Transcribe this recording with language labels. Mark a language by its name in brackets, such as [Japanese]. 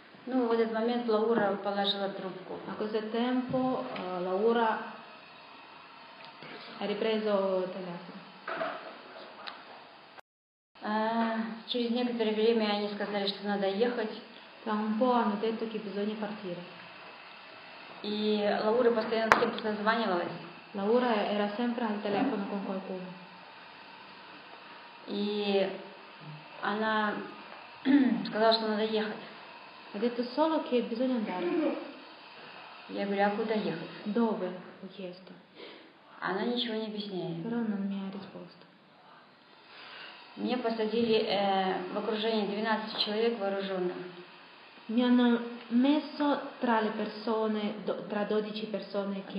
[Italian] A questo tempo Laura ha ripreso il telefono. [Russian] Через некоторое время они сказали, что надо ехать. Там по-моему это только бизонья квартира. И Лаура постоянно с кем-то названивалась. [Italian] Лаура era sempre al telefono con qualcuno. [Russian] И она сказала, что надо ехать. [Italian] Ha detto solo che bisogna andare. [Russian] Я говорю, а куда ехать? [Italian] Dove ho chiesto. [Russian] Она ничего не объясняет. [Italian] Però non mi ha risposto. [Russian] Мне посадили в окружении 12 человек вооруженных. [Italian] Mi hanno messo tra le persone, tra 12 persone che...